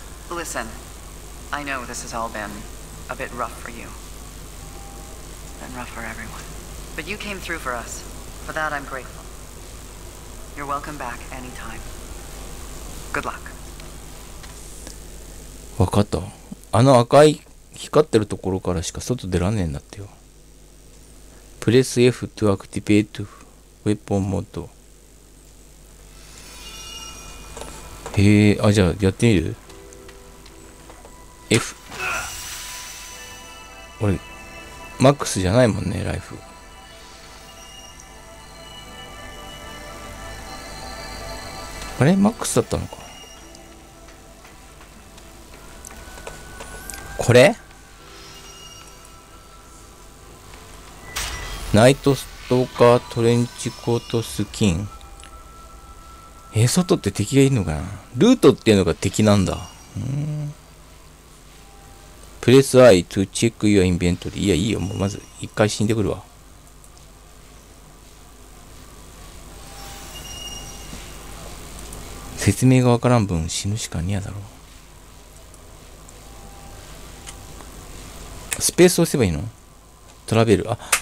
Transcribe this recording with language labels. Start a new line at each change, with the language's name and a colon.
English: Listen, I know this has all been a bit rough for you. And rough for everyone. But you came through for us. For that, I'm grateful. You're welcome back anytime. Good luck.
Japanese: わかった。あの赤い光ってるところからしか外出らねえんだってよ。
English: Press F to activate weapon mode.
Japanese: へえ、あ、じゃあやってみる ?F。あれ?マックスじゃないもんね、ライフ。あれ?マックスだったのか。これ? ナイトストーカートレンチコートスキン。外って敵がいるのかな?ルートっていうのが敵なんだ。
English: プレス I to check your inventory.
Japanese: いや、いいよ。もうまず一回死んでくるわ。説明がわからん分死ぬしかねえだろう。スペース押せばいいの?トラベル。あ。